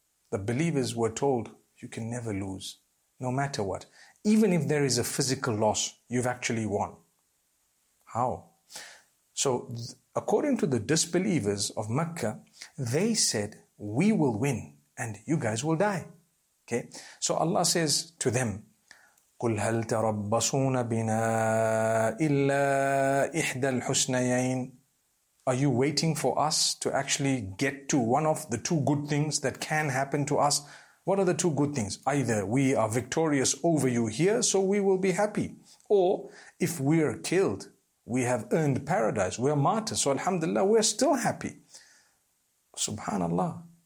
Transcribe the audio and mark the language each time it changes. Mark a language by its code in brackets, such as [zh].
[en] The believers were told, you can never lose. No matter what, even if there is a physical loss, you've actually won. How? So, according to the disbelievers of Mecca, they said, we will win and you guys will die. Okay. So Allah says to them, [ar] قُلْ هَلْ تَرَبَّصُونَ بِنَا إِلَّا إِحْدَى الْحُسْنَيَيْنِ. [en] Are you waiting for us to actually get to one of the two good things that can happen to us? What are the two good things? Either we are victorious over you here, so we will be happy. Or if we are killed, we have earned paradise. We are martyrs. So alhamdulillah, we are still happy. Subhanallah.